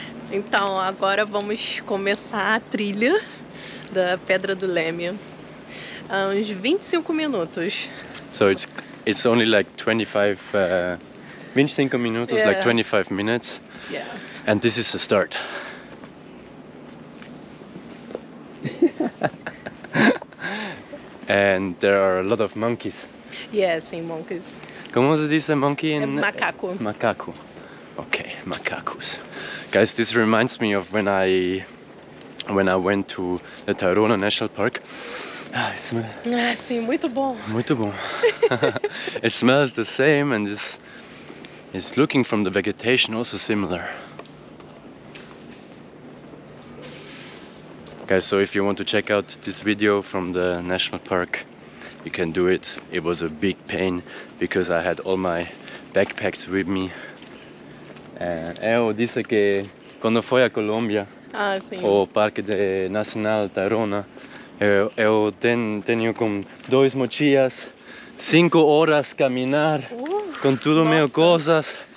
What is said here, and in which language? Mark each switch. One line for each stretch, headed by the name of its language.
Portuguese: Então, agora vamos começar a trilha da Pedra do Leme. Uns 25 minutos.
English: So it's only like 25 minutos, yeah. Like 25 minutes. Yeah. And this is the start. And there are a lot of monkeys. Yes, in monkeys.
Portuguese: Como se diz monkey in... Macaco. Macaco. Okay, macacos.
English: Guys, this reminds me of when I went to the Tayrona National Park.
Portuguese: Ah,
English: it smells...
Portuguese: Ah, sim, muito bom. Muito bom.
English: It smells the same and it's looking from the vegetation also similar. Guys, so if you want to check out this video from the National Park, you can do it. It was a big pain because I had all my backpacks with me.
Portuguese: Eu disse que quando foi a Colômbia, o Parque de Nacional Tayrona, eu tenho com 2 mochilas, 5 horas caminhar com tudo meu coisas.